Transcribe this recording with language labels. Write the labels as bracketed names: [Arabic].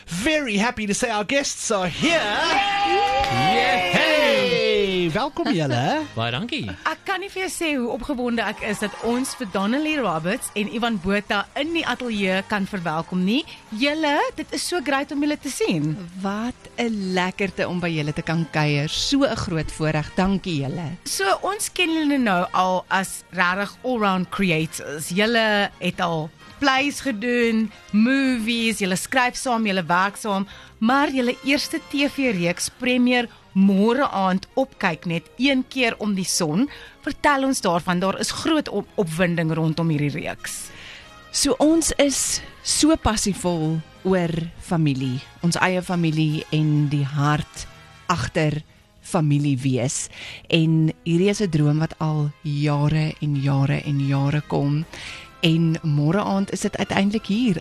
[English] Very happy to say our guests are here. [Afrikaans] Yeah! Welkom julle. Baie dankie. Ek kan nie vir jou sê hoe opgewonde ek is dat ons vir Donnelly Roberts en Ivan Botha in die ateljee kan verwelkom nie. Julle, dit is so great om julle te sien. Wat 'n lekkerte om by julle te kan kuier. So 'n groot voorreg. Dankie julle. So ons ken julle nou al as regtig [English] all-round creators. [Afrikaans] Julle het al plays gedoen, movies, julle skryf saam, julle werk saam, maar julle eerste TV-reeks premier môre aand op kyk net een keer om die son. Vertel ons daarvan, daar is groot opwinding rondom hierdie reeks. So ons is so passievol oor familie, ons eie familie en die hart agter familie wees. En hierdie is 'n droom wat al jare en jare en jare kom. En môre aand is dit uiteindelik hier.